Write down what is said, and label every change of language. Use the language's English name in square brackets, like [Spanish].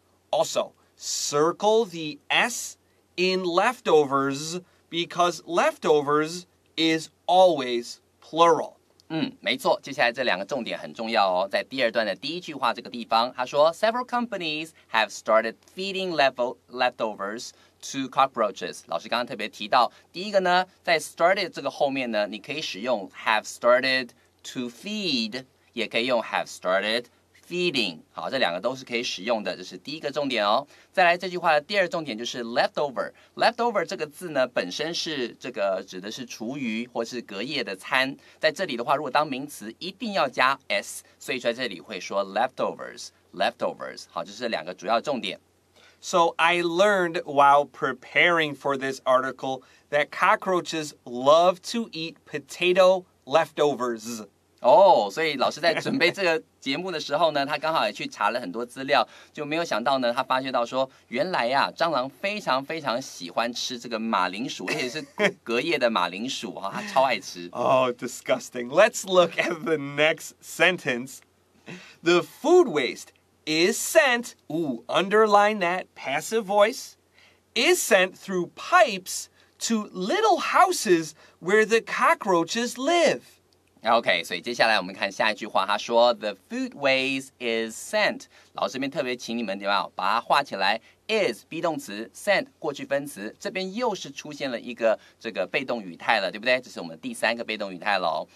[English] Also, circle the S in leftovers because leftovers is always plural. [Chinese] 嗯，没错，接下来这两个重点很重要哦。在第二段的第一句话这个地方，他说 [English] Several companies have started feeding leftovers to cockroaches. [Chinese] 老师刚刚特别提到，第一个呢，在 started 这个后面呢，你可以使用 [English] have started to feed， [Chinese] 也可以用 [English] have started feeding。 [Chinese] 好，这两个都是可以使用的，这是第一个重点哦。再来这句话的第二重点就是 leftover。leftover 这个字呢，本身是这个指的是厨余或是隔夜的餐。在这里的话，如果当名词，一定要加 s， 所以在这里会说 leftovers。leftovers。好，这是两个主要重点。 [English] So I learned while preparing for this article that cockroaches love to eat potato leftovers. [Chinese] 所以老师在准备这个节目的时候呢，他刚好也去查了很多资料，就没有想到呢，他发现到说，原来啊，蟑螂非常非常喜欢吃这个马铃薯，而且是隔夜的马铃薯啊，他超爱吃。 [English] Oh, disgusting. Let's look at the next sentence. The food waste is sent, underline that passive voice, is sent through pipes to little houses where the cockroaches live. Okay, [Chinese] 所以接下来我们看下一句话，他说 [English] The food waste is sent. [Chinese] 老师这边特别请你们，对吧，把它画起来 is, be 动词 sent, 过去分词，这边又是出现了一个这个被动语态了，对不对，这是我们第三个被动语态了。